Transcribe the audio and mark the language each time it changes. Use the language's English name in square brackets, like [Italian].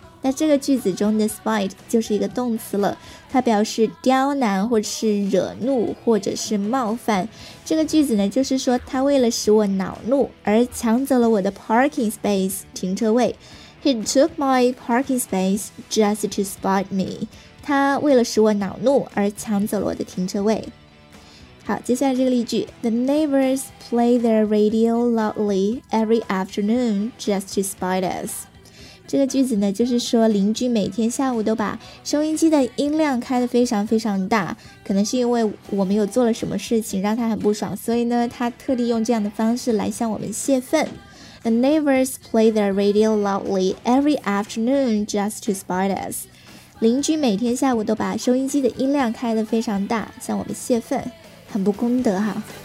[Chinese] 那这个句子中的 spite 就是一个动词了，它表示刁难或者是惹怒或者是冒犯。这个句子呢，就是说他为了使我恼怒而抢走了我的 parking space 停车位。 [English] He took my parking space just to spite me。 [Chinese] 他为了使我恼怒而抢走了我的停车位。 [English] 好，接下来这个例句 The neighbors play their radio loudly every afternoon just to spite us。 [Chinese] 这个句子呢，就是说邻居每天下午都把收音机的音量开得非常非常大，可能是因为我们有做了什么事情让他很不爽，所以呢他特地用这样的方式来向我们泄愤。 [English] The neighbors play their radio loudly every afternoon just to spite us。 [Chinese] 邻居每天下午都把收音机的音量开得非常大向我们泄愤，很不公德哈。